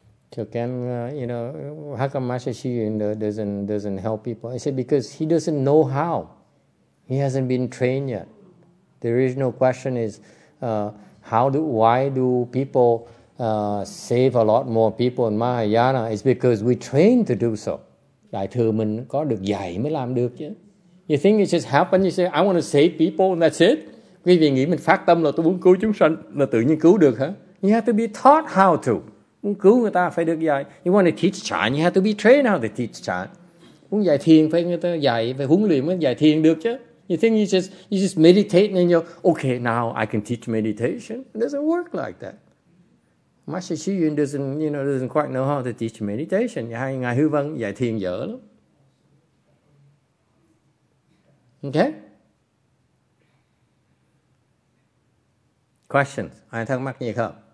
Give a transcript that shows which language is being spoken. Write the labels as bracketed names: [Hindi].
[English] So can, you know, how come Master Shi Yun doesn't help people? I said, because he doesn't know how. He hasn't been trained yet. The original question is, why do people save a lot more people in Mahayana? It's because we train to do so. [Vietnamese] Đại thừa mình có được dạy mới làm được chứ. [English] You think it just happened? You say, I want to save people and that's it? [Vietnamese] Quý vị nghĩ mình phát tâm là tôi muốn cứu chúng sanh là tự nhiên cứu được hả? [English] You have to be taught how to. [Vietnamese] Muốn cứu người ta phải được dạy. [English] You want to teach chan, you have to be trained how to teach chan. [Vietnamese] Muốn dạy thiền phải người ta dạy, phải huấn luyện mới dạy thiền được chứ. [English] You think you just meditate and you're, okay, now I can teach meditation. It doesn't work like that. Master Shi Yun doesn't quite know how to teach meditation. [Vietnamese] Hay Ngài Hư Vân dạy thiền dở lắm. [English] Okay? Questions? [Vietnamese] Ai thắc mắc gì không?